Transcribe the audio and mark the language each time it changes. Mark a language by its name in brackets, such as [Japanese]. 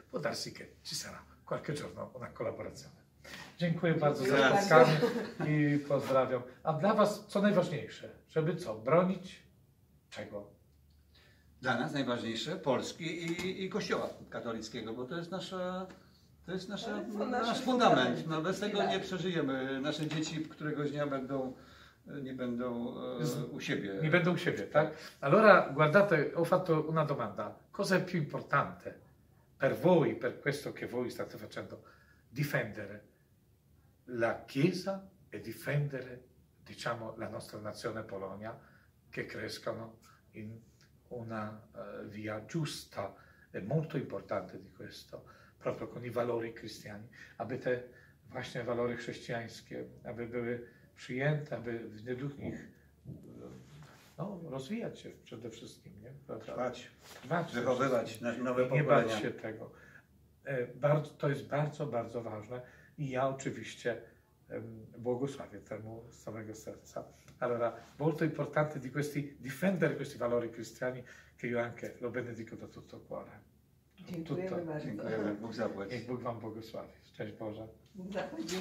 [Italian] Può darsi che ci sarà qualche giorno una collaborazione. [Polish] Dziękuję bardzo za spotkanie i pozdrawiam. A dla was co najważniejsze? Żeby co? Bronić czego? Dla nas najważniejsze Polski i Kościoła katolickiego, bo to jest nasza, to jest nasza, nasz fundament. No, bez tego nie przeżyjemy. Nasze dzieci któregoś dnia będą, nie będą u siebie. Nie będą u siebie, tak? [Italian] Allora guardate, ho fatto una domanda. Cosa è più importante per voi, per questo che voi state facendo? Difendere la Chiesa e difendere, diciamo, la nostra nazione Polonia, che crescano in una via giusta. È molto importante di questo, proprio con i valori cristiani, [Polish] aby te właśnie valori chrześcijańskie, aby były przyjęte, aby w nich no, rozwijać się przede wszystkim, nie? Trwać, wychowywać na nowe pokolenia. Nie bać się tego. To jest bardzo, bardzo ważne i ja oczywiście błogosławię temu z całego serca. [Italian] Allora, molto importante di questi difendere questi valori cristiani che io anche lo benedico da tutto cuore. [Polish] Dziękujemy bardzo. Dziękujemy. Bóg zapłać. Niech Bóg wam błogosławi. Szczęść Boże.